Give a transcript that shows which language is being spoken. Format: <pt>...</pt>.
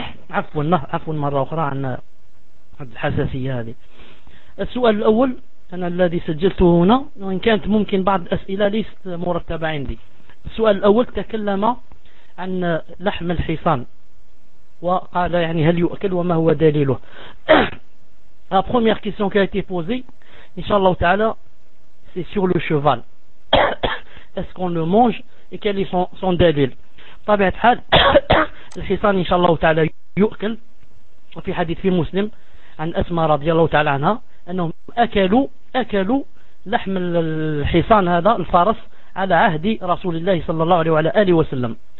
<ar>عفوا مرة أخرى عن الحساسية هذه. السؤال الأول أنا الذي سجلته هنا وإن كانت ممكن بعض أسئلة ليست مرتبة عندي. السؤال الأول تكلم عن لحم الحصان وقال هل يؤكل وما هو دليله.</ar> <fr>La première question qui a été posée إن شاء الله تعالى c'est sur le cheval. Est-ce qu'on le mange et quel est son dalil.</fr> <ar>طبعا حال الحصان ان شاء الله تعالى يؤكل. وفي حديث في مسلم عن اسماء رضي الله تعالى عنها انهم اكلوا لحم الحصان هذا الفرس على عهد رسول الله صلى الله عليه وعلى اله وسلم.</ar>